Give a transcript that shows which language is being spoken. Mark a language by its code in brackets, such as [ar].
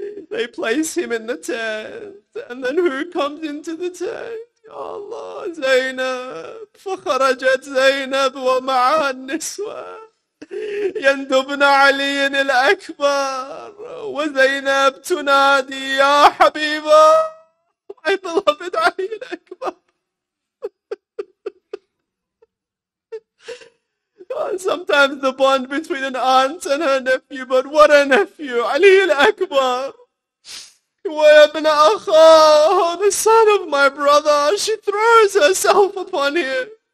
[en] They place him in the tent, and then who comes into the tent? Ya Allah, Zainab. [ar] فخرجت زينب ومعها النسوة يندبن علي الأكبر وزينب تنادي يا حبيبة [en] my beloved [ar] علي الأكبر. [en] Sometimes the bond between an aunt and her nephew, but what a nephew, Ali al-Akbar. [ar] وَيَبْنَ أَخَاهُ, [en] the son of my brother, she throws herself upon him.